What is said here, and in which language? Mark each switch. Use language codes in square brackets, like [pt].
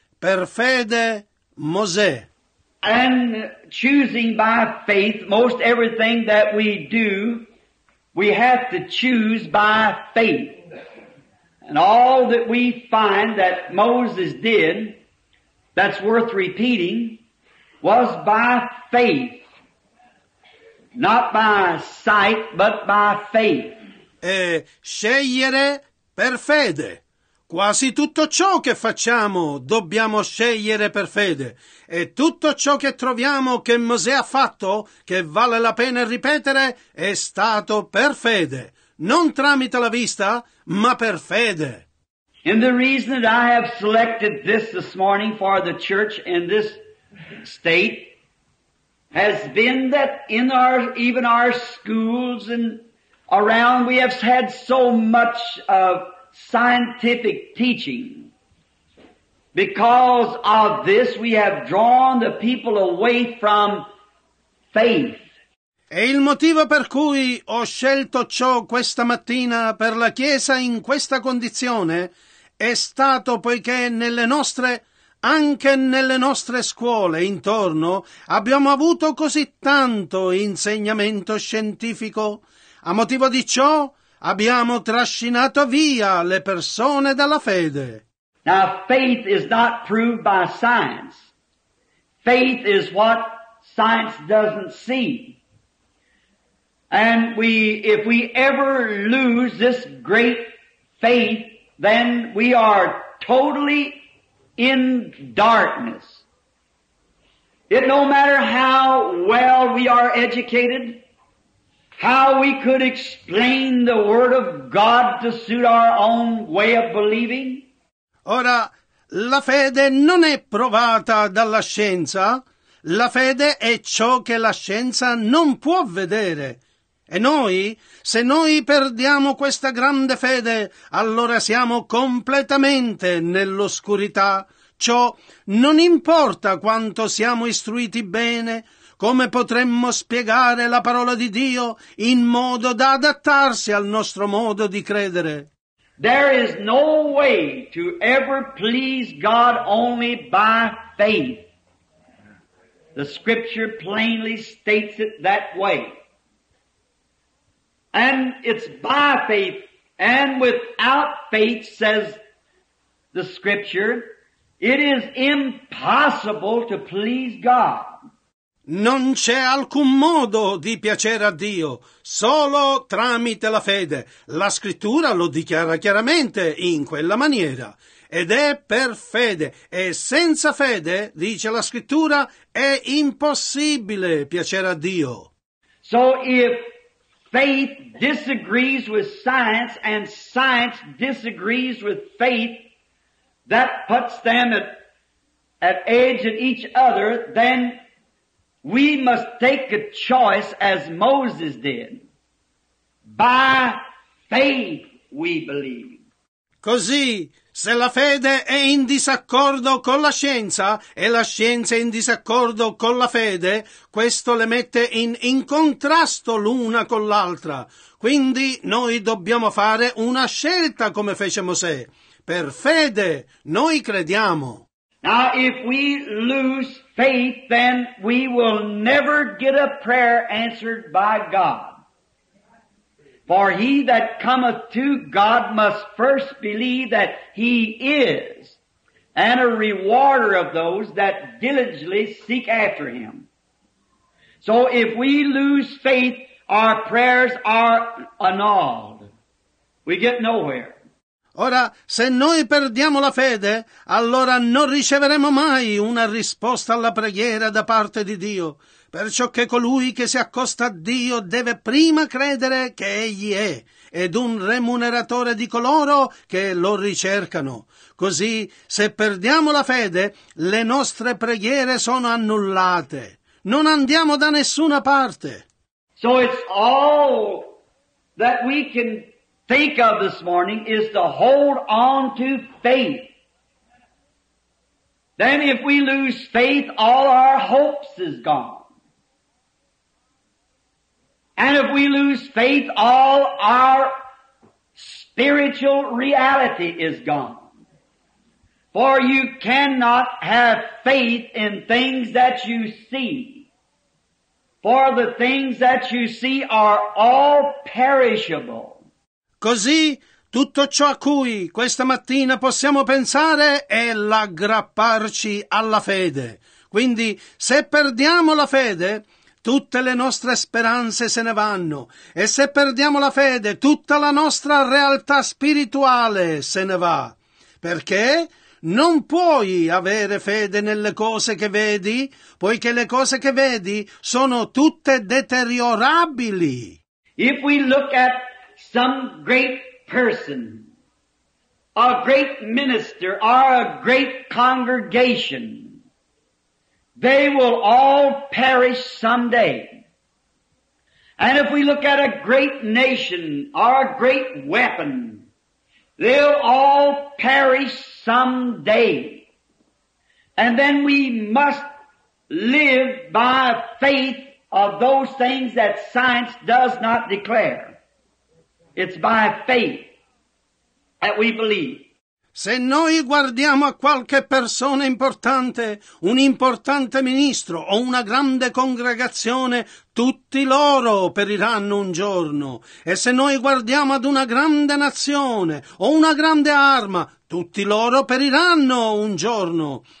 [it] Per fede, Mosè. [en] And choosing by faith, most everything that we do, we have to choose by faith. And all that we find that Moses did, that's worth repeating, was by faith. Not by sight, but by faith. [it] E scegliere per fede. Quasi tutto ciò che facciamo dobbiamo scegliere per fede. E tutto ciò che troviamo che Mosè ha fatto, che vale la pena ripetere, è stato per fede. Non tramite la vista, ma per fede. [en] And the reason that I have selected this morning for the church in this state has been that in our, even our schools and around. We have had so much of scientific teaching. Because of this, we have drawn the people away from faith. [it] E il motivo per cui ho scelto ciò questa mattina per la Chiesa in questa condizione è stato poiché anche nelle nostre scuole intorno abbiamo avuto così tanto insegnamento scientifico. A motivo di ciò abbiamo trascinato via le persone dalla fede. [en] Now faith is not proved by science. Faith is what science doesn't see. And if we ever lose this great faith, then we are totally in darkness. It no matter how well we are educated, how we could explain the Word of God to suit our own way of believing. [it] Ora, la fede non è provata dalla scienza. La fede è ciò che la scienza non può vedere. E noi, se noi perdiamo questa grande fede, allora siamo completamente nell'oscurità. Ciò non importa quanto siamo istruiti bene, come potremmo spiegare la parola di Dio in modo da adattarsi al nostro modo di credere. [en] There is no way to ever please God only by faith. The scripture plainly states it that way. And it's by faith, and without faith, says the scripture, it is impossible to please God. [it] Non c'è alcun modo di piacere a Dio, solo tramite la fede. La scrittura lo dichiara chiaramente in quella maniera. Ed è per fede, e senza fede, dice la scrittura, è impossibile piacere a Dio. [en] So if faith disagrees with science, and science disagrees with faith, that puts them at edge at each other, then we must take a choice as Moses did. By faith we believe. [it] Così, se la fede è in disaccordo con la scienza e la scienza è in disaccordo con la fede, questo le mette in contrasto l'una con l'altra. Quindi noi dobbiamo fare una scelta come fece Mosè. Per fede noi crediamo. [en] Now if we lose faith, then we will never get a prayer answered by God. For he that cometh to God must first believe that he is, and a rewarder of those that diligently seek after him. So if we lose faith, our prayers are annulled. We get nowhere. [it] Ora, se noi perdiamo la fede, allora non riceveremo mai una risposta alla preghiera da parte di Dio. Perciò che colui che si accosta a Dio deve prima credere che Egli è, ed un remuneratore di coloro che lo ricercano. Così, se perdiamo la fede, le nostre preghiere sono annullate. Non andiamo da nessuna parte. [en] So it's all that we can think of this morning is to hold on to faith. Then if we lose faith, all our hopes is gone. And if we lose faith, all our spiritual reality is gone. For you cannot have faith in things that you see. For the things that you see are all perishable. [it] Così, tutto ciò a cui questa mattina possiamo pensare è l'aggrapparci alla fede. Quindi, se perdiamo la fede, tutte le nostre speranze se ne vanno, e se perdiamo la fede, tutta la nostra realtà spirituale se ne va. Perché non puoi avere fede nelle cose che vedi, poiché le cose che vedi sono tutte deteriorabili. [en] If we look at some great person, a great minister, or a great congregation, they will all perish someday. And if we look at a great nation, our great weapon, they'll all perish someday. And then we must live by faith of those things that science does not declare. It's by faith that we believe. [it] Se noi guardiamo a qualche persona importante, un importante ministro o una grande congregazione, tutti loro periranno un giorno. E se noi guardiamo ad una grande nazione o una grande arma, tutti loro periranno un giorno.